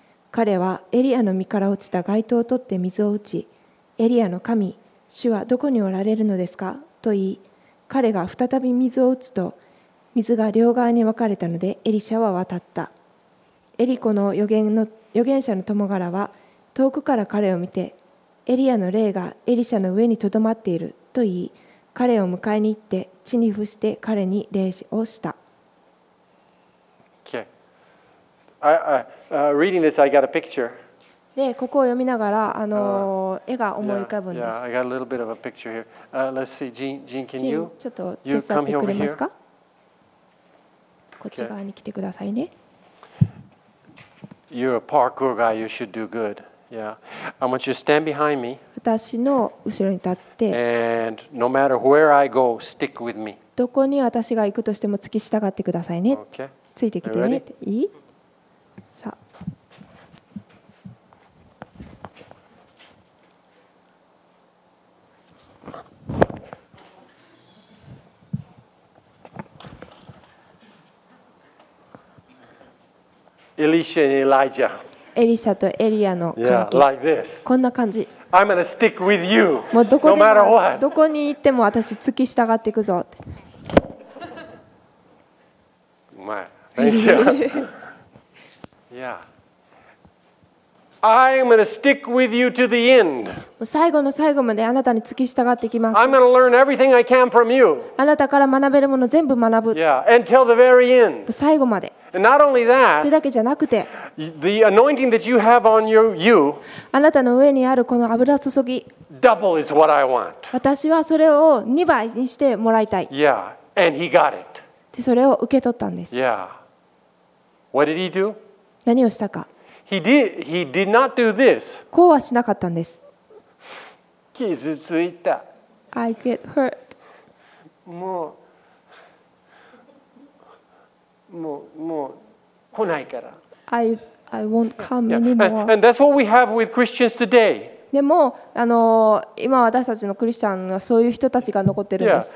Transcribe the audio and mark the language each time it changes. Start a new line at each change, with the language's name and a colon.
Japanese: 彼はエリアの身から落ちた街灯を取って水を打ち、エリアの神、主はどこにおられるのですかと言い、彼が再び水を打つと、水が両側に分かれたのでエリシャは渡った。エリコの預言者の友柄は遠くから彼を見て、エリアの霊がエリシャの上にとどまっていると言い、彼を迎えに行って地に伏して彼に礼をした。
English: Okay. Reading this, I got a picture.
Japanese: で、ここを読みながら、絵が思い浮かぶんです。
English: Yeah, I got a little bit of a picture here. Let's see, Jean, can you?
Japanese: ちょっと手伝ってくれますか？こっち側に来てくださいね。
English: You're a parkour guy. You should do good. Yeah. I want you to stand behind me.
Japanese: 私の後ろに立って。
English: And no matter where I go, stick with me.
Japanese: どこに私が行くとしても付き従ってくださいね。
English: Okay.
Japanese: ついてきてね。いい？さあ。
English: Elisha and Elijah.
Japanese: エリシャとエリアの関係。
English: Yeah, like this.
Japanese: こんな感じ。
English: I'm gonna stick with you.
Japanese: もうどこでも、
English: no matter what.
Japanese: どこに行っても私付き従っていくぞ。うまい。
English: Thank you. Yeah. I'm gonna stick with you to the end.
Japanese: もう最後の最後まであなたに付き従っていきます。
English: I'm gonna learn everything I can from you.
Japanese: あなたから学べるもの全部学ぶ。
English: Yeah, until the very end.
Japanese: 最後まで。
English: And not only that,
Japanese: それだけじゃなくて、
English: the anointing that you have on your you,
Japanese: あなたの上にあるこの油注ぎ、
English: double is what I want.
Japanese: 私はそれを2倍にしてもらいたい。
English: Yeah, and he got it.
Japanese: で、それを受け取ったんです。
English: Yeah. What did he do?
Japanese: 何をしたか。
English: He did not do this.
Japanese: こうはしなかったんです。傷ついた。
English: I get hurt.
Japanese: もう来ないから。
English: I won't come anymore. And that's what we have with Christians today.
Japanese: でも今私たちのクリスチャンがそういう人たちが残ってるんです。